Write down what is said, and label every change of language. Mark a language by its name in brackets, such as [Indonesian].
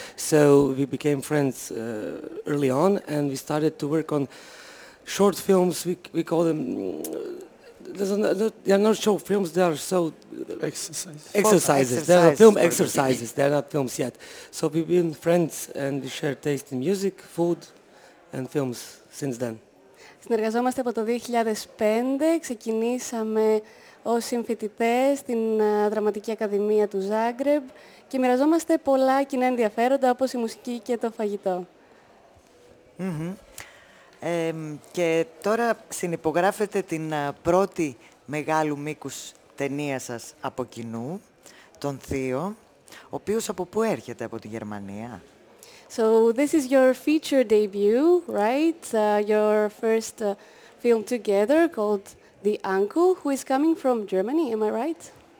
[English] So we became friends early on and we started to work on short films, we call them, they are not short films, they are so... Exercises. They are film exercises, they are not films yet. So we've been friends and we share taste in music, food and films since then. [Greek] Συνεργαζόμαστε από το 2005, ξεκινήσαμε ως συμφοιτητές στην Δραματική Ακαδημία του Ζάγκρεμπ και μοιραζόμαστε πολλά κοινά ενδιαφέροντα όπως η μουσική και το φαγητό. Και τώρα συνυπογράφετε την πρώτη μεγάλου μήκους ταινία σας από κοινού, τον Θείο, ο οποίος από πού έρχεται, από τη Γερμανία. [English] So this is your feature debut, right? Your first film together called The Uncle, who is coming from Germany, am I right?